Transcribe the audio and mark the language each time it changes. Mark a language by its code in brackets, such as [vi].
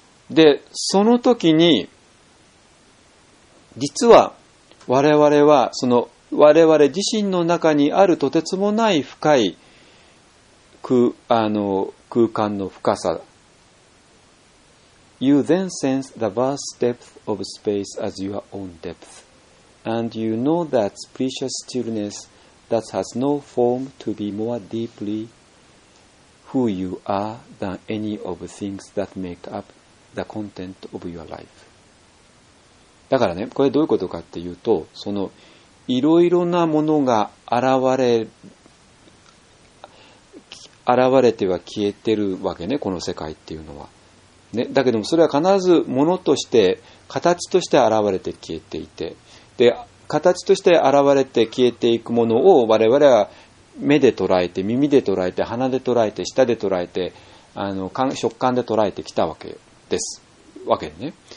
[ja] で、その時に、実は我々は、その我々自身の中にあるとてつもない深い 空間の深さ。 [en] You then sense the vast depth of space as your own depth, and you know that precious stillness. That has no form to be more deeply who you are than any of things that make up the content of your life. [ja] だからね、これどういうことかっていうと、そのいろいろなものが現れては消えてるわけね、この世界っていうのは。ね、だけどもそれは必ずものとして、形として現れて消えていて、で形として現れて消えていくものを我々は目で捉えて、耳で捉えて、鼻で捉えて、舌で捉えて、食感で捉えてきたわけです。わけね。